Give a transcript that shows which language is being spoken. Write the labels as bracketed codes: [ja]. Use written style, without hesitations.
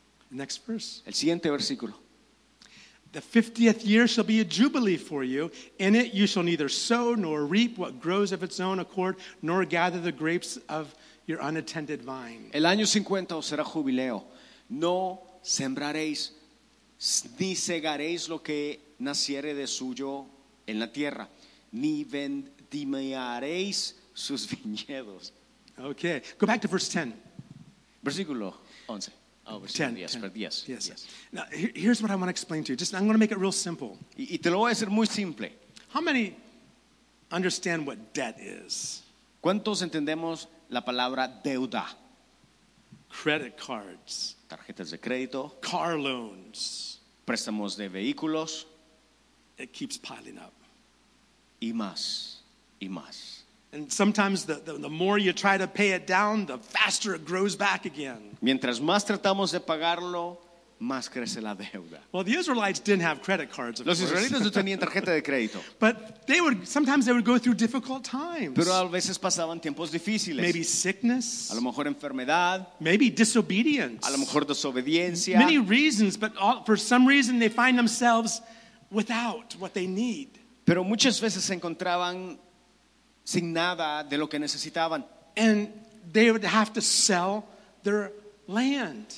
[en] Next verse. [es] El siguiente versículo. [en] The 50th year shall be a jubilee for you. In it you shall neither sow nor reap what grows of its own accord, nor gather the grapes of your unattended vine. [es] El año 50 os será jubileo. No sembraréis ni segaréis lo que naciere de suyo en la tierra, ni vendimiaréis sus viñedos. [en] Okay, go back to verse 10. [es] Versículo 11. Oh, versículo 10. 10. 10. [en] Yes. Yes. Yes. Now, here's what I want to explain to you. Just, I'm going to make it real simple. [es] Y te lo voy a hacer muy simple. [en] How many understand what debt is? [es] ¿Cuántos entendemos la palabra deuda? [en] Credit cards. [es] Tarjetas de crédito. [en] Car loans. [es] Préstamos de vehículos. [en] It keeps piling up. [es] Y más, y más. [en] And sometimes the more you try to pay it down, the faster it grows back again. [es] Mientras más tratamos de pagarlo, más crece la deuda. [en] Well, the Israelites didn't have credit cards, of course. [es] Los israelitas no tenían tarjeta de crédito. [en] But sometimes they would go through difficult times. [es] Pero a veces pasaban tiempos difíciles. [en] Maybe sickness. [es] A lo mejor enfermedad. [en] Maybe disobedience. [es] A lo mejor desobediencia. [en] Many reasons, but for some reason they find themselves without what they need. [es] Pero muchas veces se encontraban sin nada de lo que necesitaban. [en] And they would have to sell their land.